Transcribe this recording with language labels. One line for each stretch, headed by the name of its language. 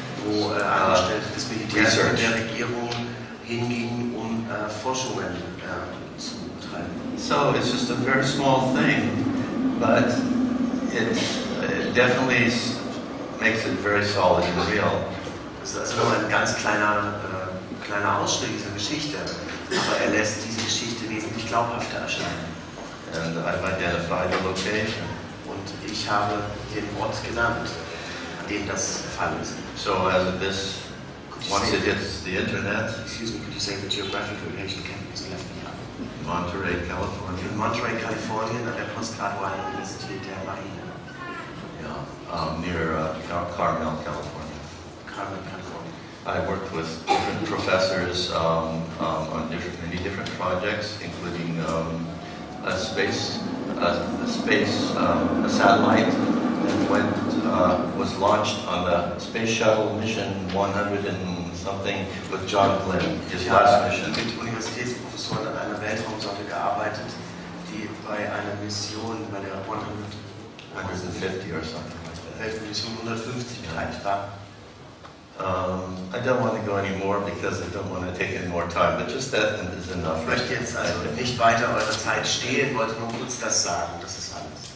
German: Wo angestellt das Militär der Regierung hinging, um Forschungen zu betreiben.
English: So it's just a very small thing, but it definitely makes it very solid and real.
German: Also ein ganz kleiner Ausschnitt dieser Geschichte, aber er lässt diese Geschichte wesentlich glaubhafter erscheinen.
English: And I've identified the location.
German: Und ich habe den Ort genannt, an dem das Fall ist.
English: So as of this, once it hits the internet, excuse me, could you say the geographic location can be left behind? Monterey, California. In Monterey, California, at the postgraduate university of the Marine. Yeah, near Carmel, California. Carmel, California. I worked with different professors on many different projects, including a satellite that was launched on the space shuttle mission 100 and something with John Glenn. His last mission.
German: Mit Universitätsprofessoren an einer Weltraumsonde gearbeitet, die bei einer Mission bei der
English: 150 or something.
German: Weltmission 150 bereit war.
English: I don't want to go anymore because I don't want to take any more time, but just that is enough.
German: Ich möchte jetzt also nicht weiter eure Zeit stehlen, wollte nur kurz das sagen, das ist alles.